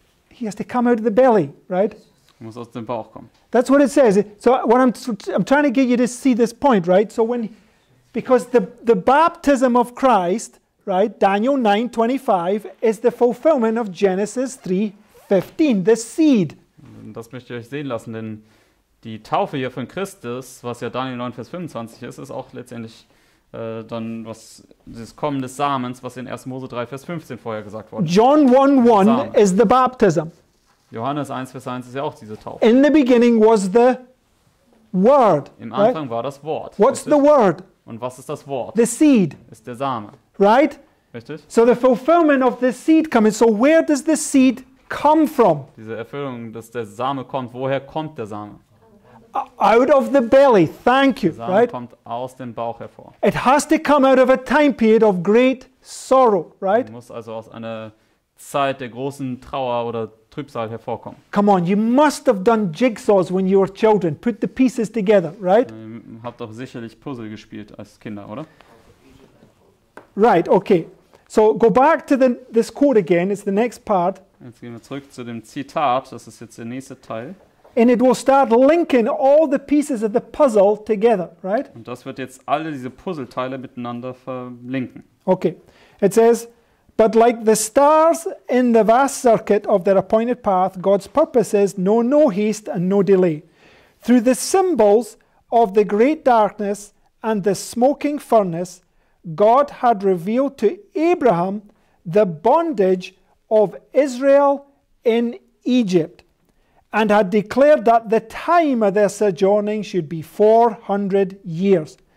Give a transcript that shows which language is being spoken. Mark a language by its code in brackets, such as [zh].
[en] He has to come out of the belly, right? [de] Er muss aus dem Bauch kommen. [en] That's what it says. So what I'm trying to get you to see this point, right? So when, because the baptism of Christ, right, Daniel 9:25 is the fulfillment of Genesis 3:15, the seed. [de] Das möchte ich euch sehen lassen, denn die Taufe hier von Christus, was ja Daniel 9, Vers 25 ist, ist auch letztendlich dann was das Kommen des Samens, was in 1. Mose 3, Vers 15 vorher gesagt worden ist. [en] John 1:1 is the baptism. [de] Johannes 1, Vers 1 ist ja auch diese Taufe. [en] In the beginning was the word. [de] Im Anfang [en] right? [de] War das Wort. [en] What's the word? [de] Und was ist das Wort? [en] The seed. [de] Ist der Same. [en] Right? [de] Richtig. [en] So the fulfillment of the seed coming. So where does the seed come from? [de] Diese Erfüllung, dass der Same kommt. Woher kommt der Same? [en] Out of the belly. Thank you. [de] Der Same [en] right? [de] Kommt aus dem Bauch hervor. [en] It has to come out of a time period of great sorrow. Right? [de] Muss also aus einer Zeit der großen Trauer oder Trübsal hervorkommen. [en] Come on, you must have done jigsaws when you were children. Put the pieces together, right? [de] Habt doch sicherlich Puzzle gespielt als Kinder, oder? [en] Right, okay. So go back to this quote again. It's the next part. [de] Jetzt gehen wir zurück zu dem Zitat. Das ist jetzt der nächste Teil. [en] And it will start linking all the pieces of the puzzle together, right? [de] Und das wird jetzt alle diese Puzzleteile miteinander verlinken. [en] Okay. It says, but like the stars in the vast circuit of their appointed path, God's purpose is no haste and no delay. Through the symbols of the great darkness and the smoking furnace, God had revealed to Abraham the bondage of Israel in Egypt and had declared that the time of their sojourning should be 400 years.